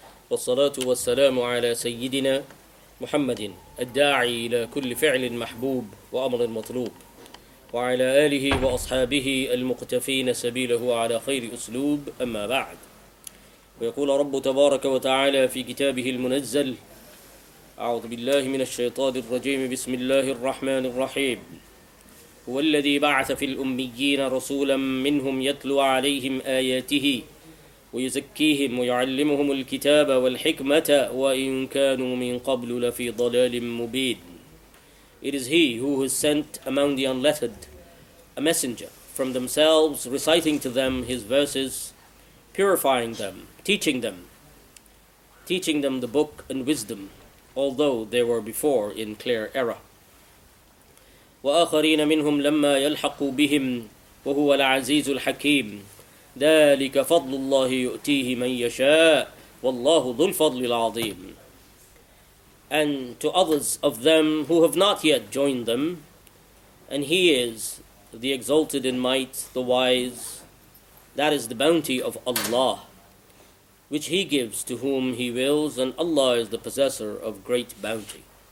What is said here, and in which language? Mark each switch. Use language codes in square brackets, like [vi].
[ar] والصلاة والسلام على سيدنا محمد الداعي إلى كل فعل محبوب وأمر مطلوب وعلى آله وأصحابه المقتفين سبيله على خير أسلوب أما بعد ويقول رب تبارك وتعالى في كتابه المنزل أعوذ بالله من الشيطان الرجيم بسم الله الرحمن الرحيم هو الذي بعث في الأميين رسولا منهم يتلو عليهم آياته ويزكيهم ويعلمهم الكتاب والحكمة وإن كانوا من قبل لفي ضلال مبين. [en] It is he who has sent among the unlettered a messenger from themselves, reciting to them his verses, purifying them, teaching them the book and wisdom, although they were before in clear error. [ar] وآخرين منهم لما يلحقوا بهم وهو العزيز الحكيم. ذلك فضل الله يؤتيه من يشاء والله ذو الفضل العظيم. [en] And to others of them who have not yet joined them, and he is the exalted in might, the wise, that is the bounty of Allah, which he gives to whom he wills, and Allah is the possessor of great bounty.